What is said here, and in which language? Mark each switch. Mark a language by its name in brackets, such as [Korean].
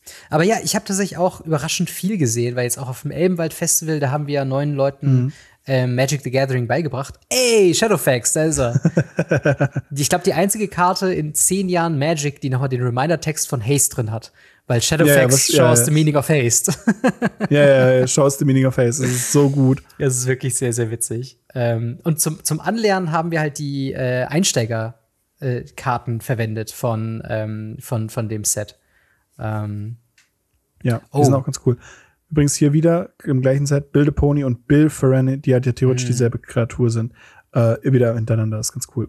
[German] Aber ja, ich habe tatsächlich auch überraschend viel gesehen, weil jetzt auch auf dem Elbenwald-Festival, da haben wir ja neuen Leuten Magic the Gathering beigebracht. Ey, Shadowfax, da ist er. Ich glaube, die einzige Karte in 10 Jahren Magic, die nochmal den Reminder-Text von Haste drin hat. Weil [English] Shadowfax shows the meaning of Haste. shows the meaning of Haste. [German] Das ist so gut. Das ist wirklich sehr, sehr witzig. Und zum Anlernen haben wir halt die Einsteiger-Karten verwendet von dem Set. Die sind auch ganz cool. Übrigens hier wieder im gleichen Set Build a Pony und Bill Ferrani, die halt ja theoretisch dieselbe Kreatur sind, wieder hintereinander, das ist ganz cool.